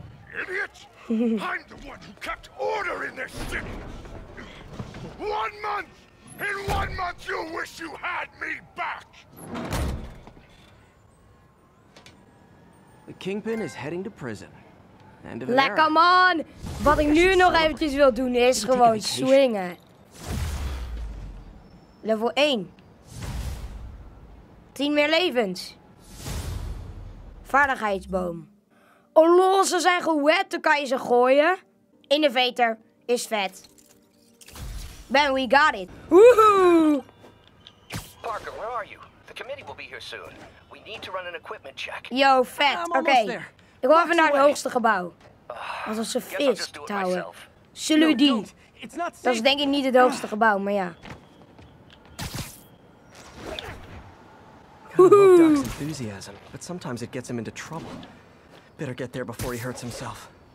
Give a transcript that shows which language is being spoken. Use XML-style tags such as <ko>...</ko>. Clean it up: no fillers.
<en>Idiot! I'm the one who kept order in this city! 1 month! In 1 month, you'll wish you had me back! The Kingpin is heading to prison.</en> <nl>Lekker man! Wat ik nu nog eventjes wil doen is gewoon swingen. Level 1. 10 meer levens. Vaardigheidsboom. Oh lol, ze zijn gewet, dan kan je ze gooien. Innovator is vet. Ben,</nl> <en>we got it.</en> <nl>Woehoe!</nl> <en>Parker, where are you? The committee will be here soon. We need to run an equipment check.</en> <nl>Yo, vet. Oké. Ik wil even naar het hoogste gebouw. Want als ze vis touwen. Zullen we die? Dat is denk ik niet het hoogste gebouw, maar ja.</nl> <en>Enthusiasm, but sometimes it gets him into trouble. Better get there before he hurts himself.</en>